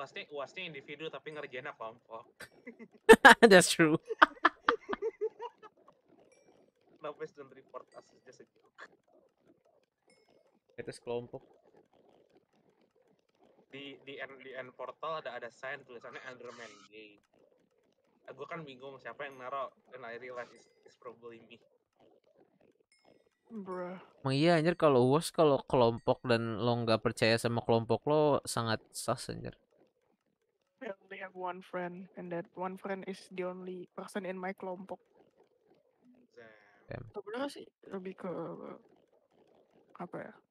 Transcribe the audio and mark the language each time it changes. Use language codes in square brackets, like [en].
[id] Wasnya individu tapi ngerjainnya kelompok. [en] That's true. Nobody's don't report us, it's just a joke. [id] Itu sekelompok. Di end portal ada sign tulisannya Enderman gay. Gue kan bingung siapa yang naro, [en] and I realize it's probably me. [id] Emang iya anjir, kalau was kalau kelompok dan lo enggak percaya sama kelompok lo sangat sus anjir. [en] I only have one friend and that one friend is the only person in my [id] kelompok. [en] Damn. [id] Sebenarnya sih lebih ke apa ya?